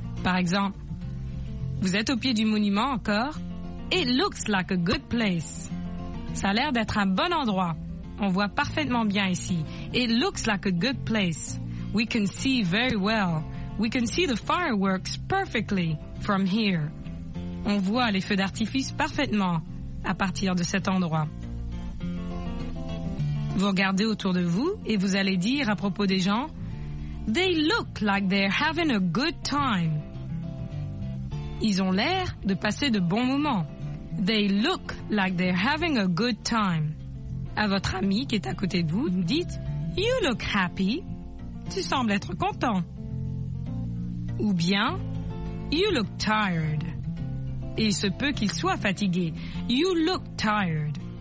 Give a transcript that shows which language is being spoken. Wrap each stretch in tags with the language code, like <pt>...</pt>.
<fr>Par exemple, vous êtes au pied du monument encore,</fr> <en>it looks like a good place.</en> <fr>Ça a l'air d'être un bon endroit. On voit parfaitement bien ici.</fr> <en>It looks like a good place. We can see very well. We can see the fireworks perfectly from here.</en> <fr>On voit les feux d'artifice parfaitement à partir de cet endroit. Vous regardez autour de vous et vous allez dire à propos des gens,</fr> <en>they look like they're having a good time.</en> <fr>Ils ont l'air de passer de bons moments.</fr> <en>They look like they're having a good time.</en> <fr>À votre ami qui est à côté de vous, vous dites,</fr> <en>you look happy.</en> <fr>Tu sembles être content. Ou bien,</fr> <en>you look tired.</en> <fr>Et il se peut qu'il soit fatigué.</fr> <en>You look tired.</en>